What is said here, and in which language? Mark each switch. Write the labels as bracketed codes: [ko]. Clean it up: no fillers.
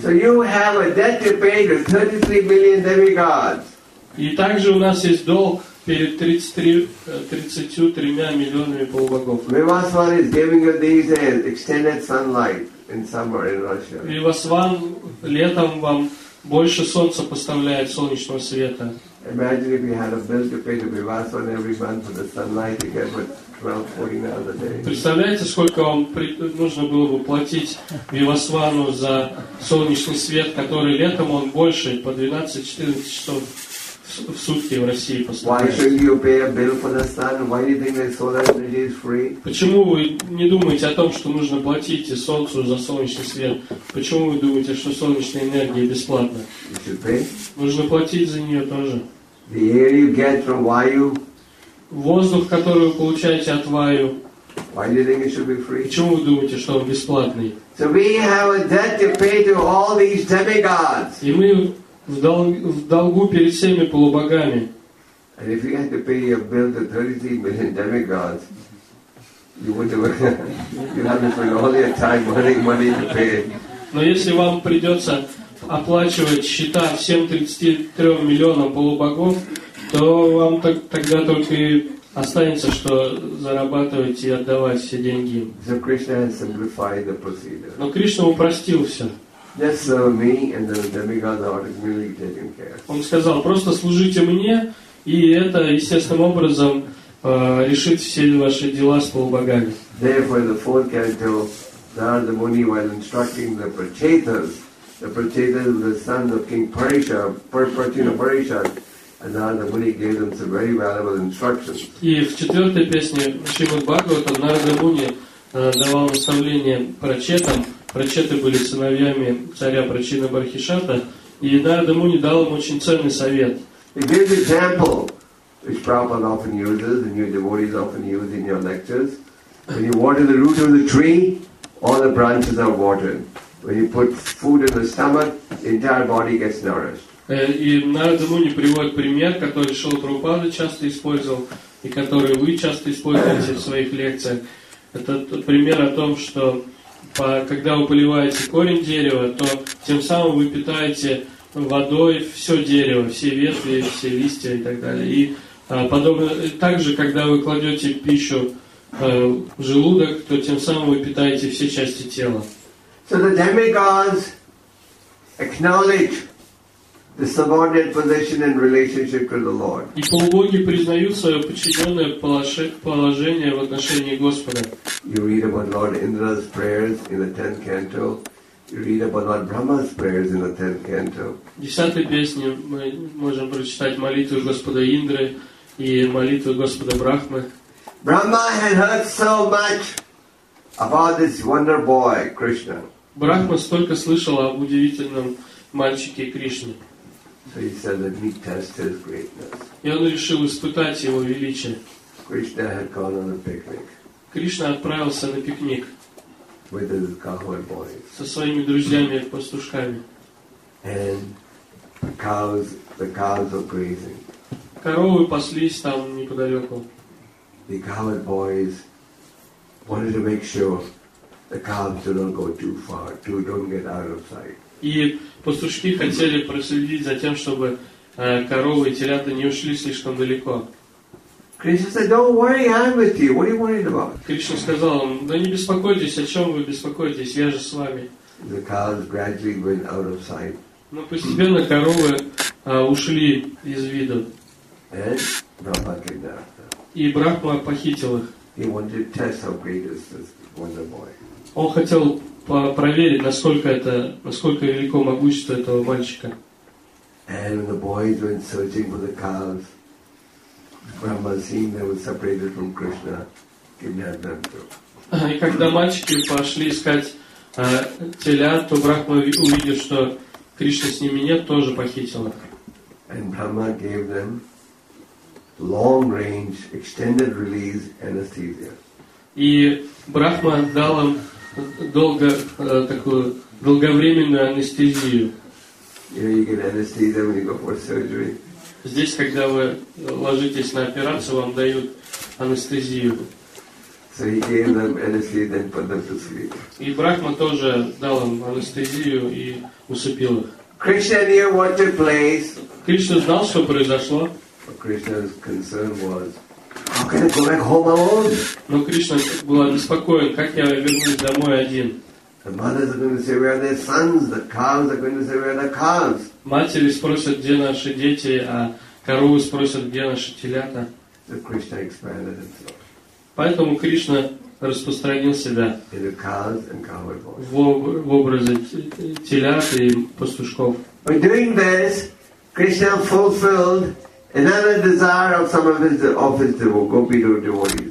[en] So you have a debt to pay to 33 million demigods. [ru] И также у нас есть долг перед 33 миллионами полубогов. [en] Vivasvan is giving you these extended sunlight in summer in Russia. [ru] Vivasvan летом вам больше солнца поставляет солнечного света. [en] Imagine if you had a bill to pay to Vivasvan every month for the sunlight you get with 12-14 hours a day. [ru] Представляете, сколько вам нужно было бы платить Вивасвану за солнечный свет, который летом он больше по 12-14 часов в сутки в России поставляет. [en] Why should you pay a bill for the sun? Why do you think that solar energy is free? [ru] Почему вы не думаете о том, что нужно платить солнцу за солнечный свет? Почему вы думаете, что солнечная энергия бесплатна? [en] You should pay. [ru] Нужно платить за нее тоже. [en] The air you get from Vayu. [ru] Воздух, который вы получаете от Ваю. [en] Why do you think it should be free? [ru] Почему вы думаете, что он бесплатный? [en] So we have a debt to pay to all these demigods. [ru] И мы в долгу перед всеми полубогами. [en] And if you had to pay your bill to 33 million demigods, you would have you'd have to spend all your time earning money to pay. [ru] Но если вам придется оплачивать счета всем 33 миллионам полубогов, то вам тогда только и останется, что зарабатывать и отдавать все деньги. [en] So Krishna has simplified the procedure. [ru] Но Кришна упростил все. [en] Just serve me and the demigods are really taken care. [ru] Он сказал, просто служите мне, и это естественным образом решит все ваши дела с полубогами. [en] Therefore, the fourth canto, Narada Muni, while instructing the Prachetas, the son of King Parisha, Prachina Parisha, and Narada Muni gave them some very valuable instructions. [ru] И в четвертой песне Шримад Бхагаватам Нарада Муни давал наставление прачетам. Прачеты были сыновьями царя Прачина Бархишата, и Нарада Муни дал им очень ценный совет. [en] He gives an example which Prabhupada often uses and your devotees often use in your lectures. When you water the root of the tree, all the branches are watered. When you put food in the stomach, the entire body gets nourished. [ru] И Нарада Муни приводит пример, который Шрила Прабхупада часто использовал и который вы часто используете в своих лекциях. Это пример о том, что когда вы поливаете корень дерева, то тем самым вы питаете водой все дерево, все ветви, все листья и так далее. И подобно также, когда вы кладете пищу в желудок, то тем самым вы питаете все части тела. [en] So the demigods acknowledge the subordinate position in relationship to the Lord. [ru] И полубоги признают свое подчиненное положение в отношении Господа. [en] You read about Lord Indra's prayers in the 10th canto. You read about Lord Brahma's prayers in the 10th canto. [ru] В 10-й песне мы можем прочитать молитву Господа Индры и молитву Господа Брахмы. [en] Brahma had heard so much about this wonder boy, Krishna. [ru] Брахма столько слышал об удивительном мальчике Кришне. [en] So he said, let me test his greatness. [ru] И он решил испытать его величие. [en] Krishna had gone on a picnic. [ru] Кришна отправился на пикник. [en] With his cowboy boys. [ru] Со своими друзьями пастушками. [en] And the cows were grazing. [ru] Коровы паслись там неподалеку. [en] The cowboy boys wanted to make sure the cows don't go too far, don't get out of sight. [ru] И пастушки хотели проследить за тем, чтобы коровы и телята не ушли слишком далеко. [en] Krishna said, "Don't worry, I'm with you. What are you worried about?" [ru] Кришна сказал им: "Да не беспокойтесь, о чем вы беспокоитесь? Я же с вами." [en] The cows gradually went out of sight. [ru] Но постепенно коровы ушли из виду. [en] And Brahma came down. [ru] И Брахма похитил их. [en] He wanted to test how great is this wonder boy. [ru] Он хотел проверить, насколько велико могущество этого мальчика. [en] And the boys went searching for the cows. Brahma, seeing they were separated from Krishna, came down to. [ru] И когда мальчики пошли искать телят, то Брахма увидел, что Кришна с ними нет, тоже похитил их. [en] And Brahma gave them long-range extended release anesthesia. [ru] И Брахма дал им долговременную анестезию. [en] You get anesthesia when you go for surgery. [ru] Здесь, когда вы ложитесь на операцию, вам дают анестезию. [en] So he gave them anesthesia and put them to sleep. [ru] И Брахма тоже дал им анестезию и усыпил их. [en] Krishna knew what took place. [ru] Кришна знал, что произошло. [en] Krishna's concern was, how can I go back home alone? [ru] Но Кришна был обеспокоен, как я вернусь домой один. [en] The mothers are going to say, where are their sons? The cows are going to say, where are the cows? [ru] Матери спросят, где наши дети, а коровы спросят, где наши телята. [en] So Krishna expanded himself. [ru] Поэтому Кришна распространил себя [en] into cows and cowboy boys. [ru] В образе телят и пастушков. [en] By doing this, Krishna fulfilled another desire of some of his devotees.